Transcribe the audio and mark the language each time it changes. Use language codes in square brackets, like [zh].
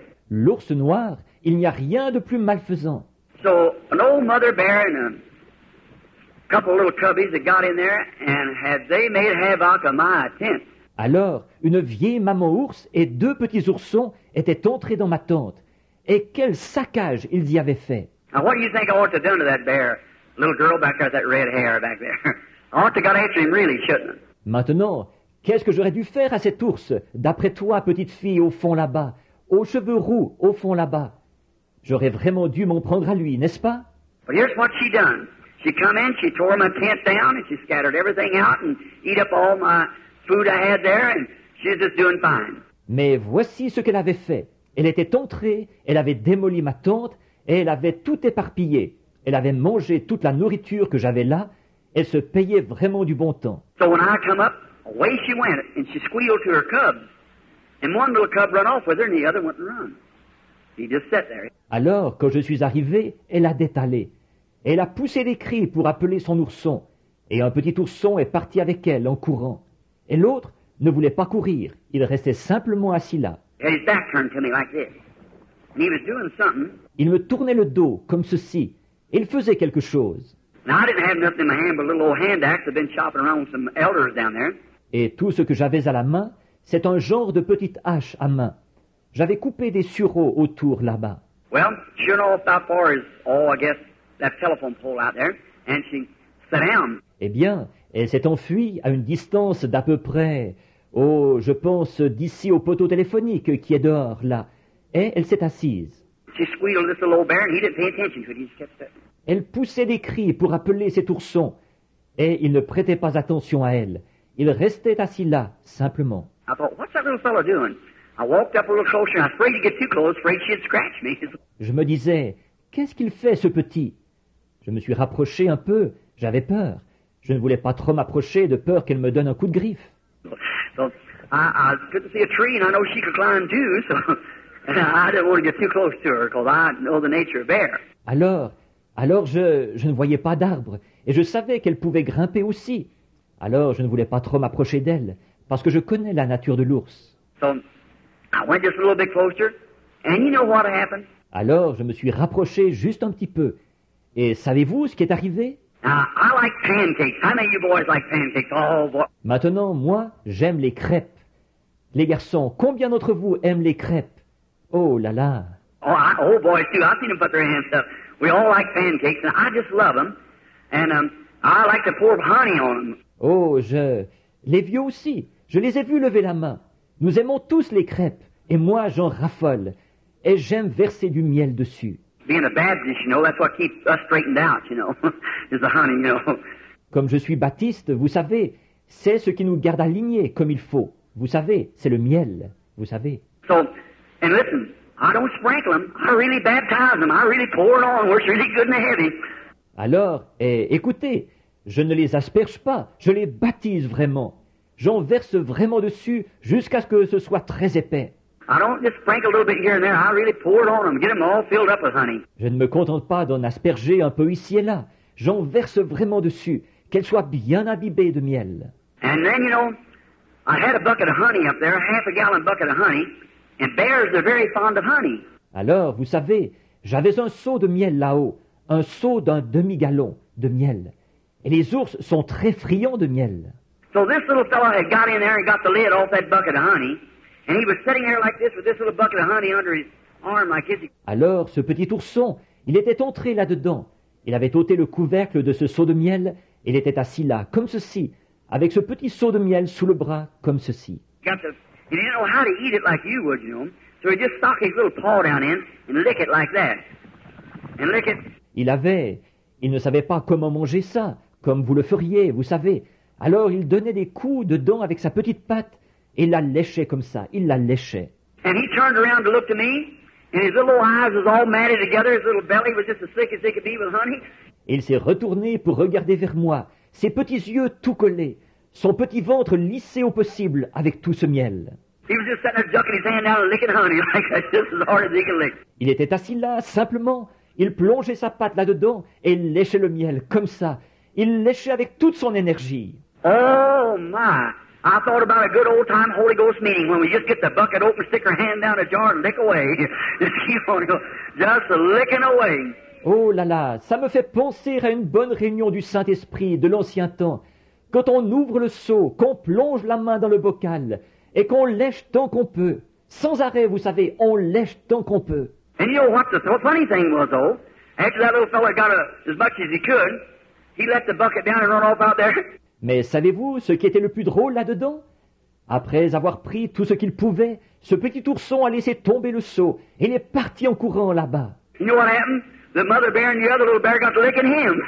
[fr] L'ours noir, il n'y a rien de plus malfaisant. [en] So, an old mother bear and a couple little cubbies that got in there and had they made havoc of my tent. [fr] Alors, une vieille maman ours et deux petits oursons étaient entrés dans ma tente. Et quel saccage ils y avaient fait. [en] Now, what do you think I ought to have done to that bear, little girl back there with that red hair back there? I ought to have got after him, really, shouldn't I? [fr] Maintenant, qu'est-ce que j'aurais dû faire à cet ours, d'après toi, petite fille, au fond là-bas, aux cheveux roux, au fond là-bas? J'aurais vraiment dû m'en prendre à lui, n'est-ce pas? [en] But here's what she done. She come in, she tore my tent down, and she scattered everything out and eat up all my... food I had there, and she's just doing fine. [fr] Mais voici ce qu'elle avait fait. Elle était entrée, elle avait démoli ma tente, et elle avait tout éparpillé. Elle avait mangé toute la nourriture que j'avais là. Elle se payait vraiment du bon temps. [en] So when I come up, away she went, and she squealed to her cubs. And one little cub ran off with her, and the other went and run. He just sat there. [fr] Alors, quand je suis arrivé, elle a détalé. Elle a poussé des cris pour appeler son ourson. Et un petit ourson est parti avec elle en courant. Et l'autre ne voulait pas courir. Il restait simplement assis là. [en] His back turned to me like this. And he was doing something. [fr] Il me tournait le dos comme ceci. Il faisait quelque chose. [en] Now, I didn't have nothing in my hand but a little old hand axe. I've been chopping around with some elders down there. [fr] Et tout ce que j'avais à la main, c'est un genre de petite hache à main. J'avais coupé des sureaux autour là-bas. [en] Well, sure enough, how far is all, I guess, that telephone pole out there? And she sat down. [fr] Eh bien, elle s'est enfuie à une distance d'à peu près, oh, je pense, d'ici au poteau téléphonique qui est dehors, là. Et elle s'est assise. [en] She squealed this little old bear and he didn't pay attention to it. He just kept sitting. [fr] Elle poussait des cris pour appeler cet ourson. Et il ne prêtait pas attention à elle. Il restait assis là, simplement. [en] I thought, what's that little fella doing? I walked up a little closer and I was afraid to get too close, afraid she'd scratch me. [fr] Je me disais, qu'est-ce qu'il fait ce petit? Je me suis rapproché un peu, j'avais peur. Je ne voulais pas trop m'approcher de peur qu'elle me donne un coup de griffe. [en] So, I couldn't see a tree and I know she could climb too, so I didn't want to get too close to her because I know the nature of bear. [fr] Alors je ne voyais pas d'arbre et je savais qu'elle pouvait grimper aussi. Alors je ne voulais pas trop m'approcher d'elle parce que je connais la nature de l'ours. [en] So, I went just a little bit closer, and you know what happened? [fr] Alors, je me suis rapproché juste un petit peu. Et savez-vous ce qui est arrivé? [en] I like pancakes. I know you boys like pancakes. Oh, boy. [fr] Maintenant, moi, j'aime les crêpes. Les garçons, combien d'entre vous aiment les crêpes? Oh là là. [en] Oh, boys too. I've seen them put their hands up. We all like pancakes, and I just love them. And I like to pour honey on them. [fr] Oh, les vieux aussi. Je les ai vus lever la main. Nous aimons tous les crêpes, et moi j'en raffole, et j'aime verser du miel dessus. [en] Being a Baptist, you know, that's what keeps us straightened out, you know, is the honey, you know. [fr] Comme je suis baptiste, vous savez, c'est ce qui nous garde alignés comme il faut. Vous savez, c'est le miel, vous savez. [en] So, and listen, I don't sprinkle them, I really baptize them, I really pour it on, where it's really good and heavy. [fr] Alors, écoutez, je ne les asperge pas, je les baptise vraiment. J'en verse vraiment dessus jusqu'à ce que ce soit très épais. [en] I don't just sprinkle a little bit here and there. I really pour it on them, get them all filled up with honey. [fr] Je ne me contente pas d'en asperger un peu ici et là. J'en verse vraiment dessus, qu'elle soit bien imbibée de miel. [en] And then, you know, I had a bucket of honey up there, a half a gallon bucket of honey, and bears are very fond of honey. [fr] Alors, vous savez, j'avais un seau de miel là-haut, un seau d'un demi-gallon de miel. Et les ours sont très friands de miel. [en] So this little fellow had got in there and got the lid off that bucket of honey, and he was sitting there like this with this little bucket of honey under his arm like this. [fr] Alors, ce petit ourson, il était entré là-dedans. Il avait ôté le couvercle de ce seau de miel, et il était assis là, comme ceci, avec ce petit seau de miel sous le bras, comme ceci. [en] He didn't know how to eat it like you would, you know. So he just stuck his little paw down in and lick it like that. And lick it. [fr] Il ne savait pas comment manger ça, comme vous le feriez, vous savez. Alors il donnait des coups dedans avec sa petite patte et la léchait comme ça. Il la léchait. [en] And he turned around to look to me, and his little eyes was all matted together. His little belly was just as thick as they could be with honey. [fr] Et il s'est retourné pour regarder vers moi. Ses petits yeux tout collés, son petit ventre lissé au possible avec tout ce miel. [en] He was just sitting there ducking his hand out and licking honey like just as hard as he could lick. [fr] Il était assis là simplement. Il plongeait sa patte là dedans et il léchait le miel comme ça. Il léchait avec toute son énergie. [en] Oh my! I thought about a good old time Holy Ghost meeting when we just get the bucket open, stick our hand down a jar and lick away. Just licking away. [fr] Oh là là, ça me fait penser à une bonne réunion du Saint-Esprit de l'ancien temps. Quand on ouvre le seau, qu'on plonge la main dans le bocal et qu'on lèche tant qu'on peut. Sans arrêt, vous savez, on lèche tant qu'on peut. [en] And you know what the funny thing was though? After that little fella got as much as he could, he let the bucket down and run off out there. [fr] Mais savez-vous ce qui était le plus drôle là-dedans? Après avoir pris tout ce qu'il pouvait, ce petit ourson a laissé tomber le seau et il est parti en courant là-bas. [en] You know what happened? The mother bear and the other little bear got to licking him.